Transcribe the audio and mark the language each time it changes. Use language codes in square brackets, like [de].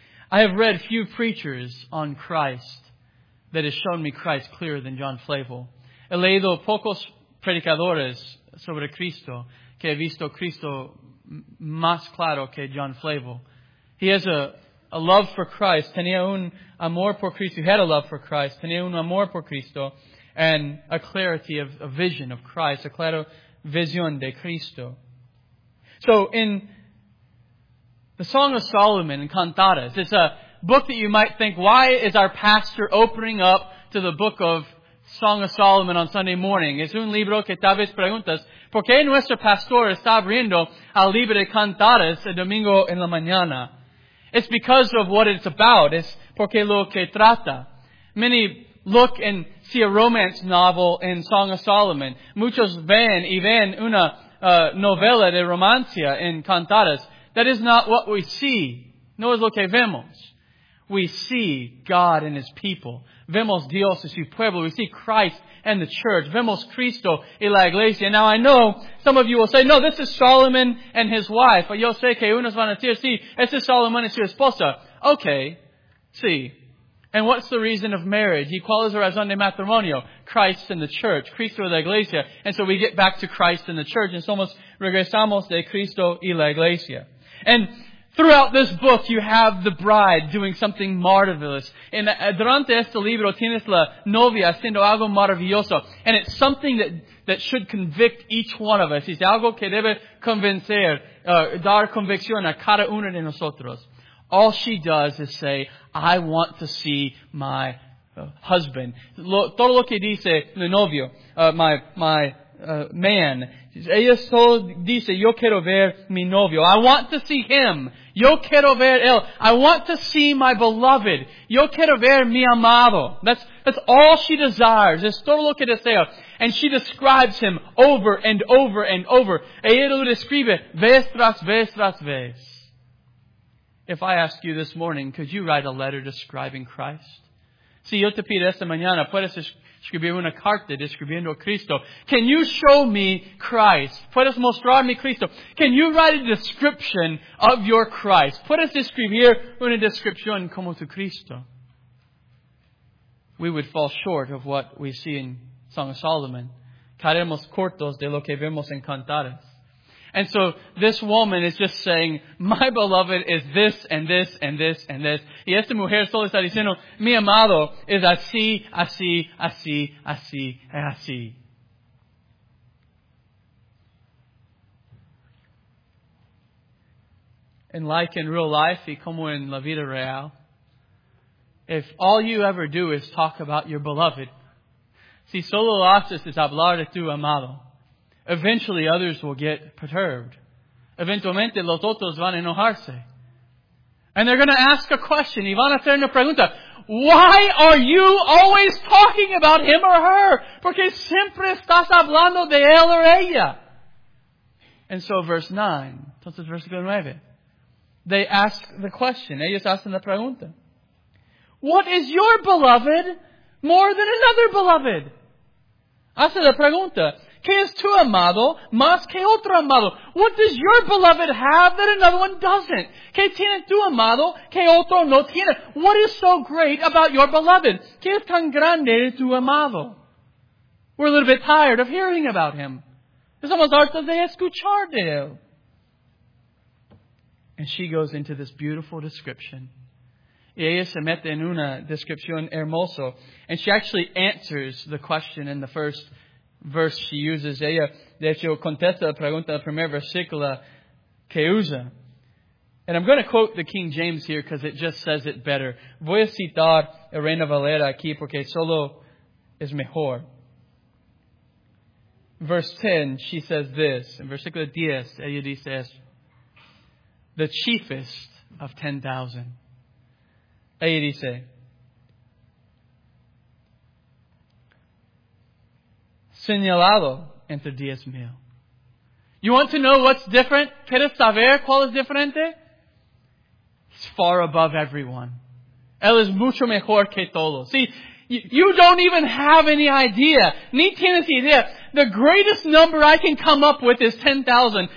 [en] I have read few preachers on Christ that has shown me Christ clearer than John Flavel. [es] He leído pocos predicadores sobre Cristo que he visto Cristo más claro que John Flavel. [en] He has a love for Christ. [es] Tenía un amor por Cristo. [en] He had a love for Christ. [es] Tenía un amor por Cristo. [en] And a clarity of a vision of Christ, [es] a clara visión de Cristo. [en] So in the Song of Solomon, in Cantares, it's a book that you might think, why is our pastor opening up to the book of Song of Solomon on Sunday morning? [es] Es un libro que tal vez preguntas, ¿por qué nuestro pastor está abriendo al libro de Cantares el domingo en la mañana? [en] It's because of what it's about. [es] Es porque lo que trata. [en] Many look and see a romance novel in Song of Solomon. [es] Muchos ven y ven una novela de romancia en Cantares. [en] That is not what we see. [es] No es lo que vemos. [en] We see God and His people. [es] Vemos Dios y su pueblo. [en] We see Christ and the church. [es] Vemos Cristo y la iglesia. [en] Now I know some of you will say, no, this is Solomon and his wife. [es] Yo sé que unos van a decir, sí, este es Solomon y su esposa. Okay, sí. [en] And what's the reason of marriage? [es] ¿Y cuál es la razón de matrimonio? [en] Christ and the church. [es] Cristo y la iglesia. [en] And so we get back to Christ and the church. [es] And somos regresamos de Cristo y la iglesia. [en] And throughout this book, you have the bride doing something marvelous. [es] And durante este libro, tienes la novia haciendo algo maravilloso. [en] And it's something that should convict each one of us. [es] Es algo que debe convencer, dar convicción a cada uno de nosotros. [en] All she does is say, I want to see my husband. [es] Todo lo que dice el novio, [en] my man. [es] Ella solo dice, yo quiero ver mi novio. [en] I want to see him. [es] Yo quiero ver él. [en] I want to see my beloved. [es] Yo quiero ver mi amado. [en] That's all she desires. [es] Es todo lo que desea. [en] And she describes him over and over and over. [es] Ella lo describe vez tras vez tras vez. [en] If I ask you this morning, could you write a letter describing Christ? [es] Si yo te pido esta mañana, puedes escribir una carta describiendo a Cristo. [en] Can you show me Christ? [es] Puedes mostrarme Cristo. [en] Can you write a description of your Christ? [es] Puedes escribir una descripción como tu Cristo. [en] We would fall short of what we see in Song of Solomon. [es] Caeremos cortos de lo que vemos en Cantares. [en] And so this woman is just saying, my beloved is this and this and this and this. [es] Y esta mujer solo está diciendo, mi amado es así, así, así, así, así. [en] And like in real life, [es] y como en la vida real, [en] if all you ever do is talk about your beloved, [es] si solo lo haces es hablar de tu amado, [en] eventually, others will get perturbed. [es] Eventualmente, los otros van a enojarse. [en] And they're going to ask a question. [es] Y van a hacer una pregunta. [en] Why are you always talking about him or her? [es] Porque siempre estás hablando de él or ella. [en] And so, verse 9. [es] Entonces, versículo 9. [en] They ask the question. [es] Ellos hacen la pregunta. [en] What is your beloved more than another beloved? [es] Hace la pregunta. ¿Qué es tu amado más que otro amado? [en] What does your beloved have that another one doesn't? [es] ¿Qué tiene tu amado que otro no tiene? [en] What is so great about your beloved? [es] ¿Qué es tan grande de tu amado? [en] We're a little bit tired of hearing about him. [es] Estamos hartos de escuchar de él. [en] And she goes into this beautiful description. [es] Y ella se mete en una descripción hermosa. [en] And she actually answers the question in the first verse she uses. [es] Ella, de hecho, contesta la pregunta del primer versículo que usa. [en] And I'm going to quote the King James here because it just says it better. [es] Voy a citar a Reina Valera aquí porque solo es mejor. [en] Verse 10, she says this. In [es] versículo 10, ella dice esto. [en] The chiefest of 10,000. [es] Ella dice, señalado entre 10,000. [en] You want to know what's different? [es] ¿Quieres saber cuál es diferente? [en] He's far above everyone. [es] Él es mucho mejor que todos. [en] See, you don't even have any idea. [es] Ni tienes idea. [en] The greatest number I can come up with is 10,000.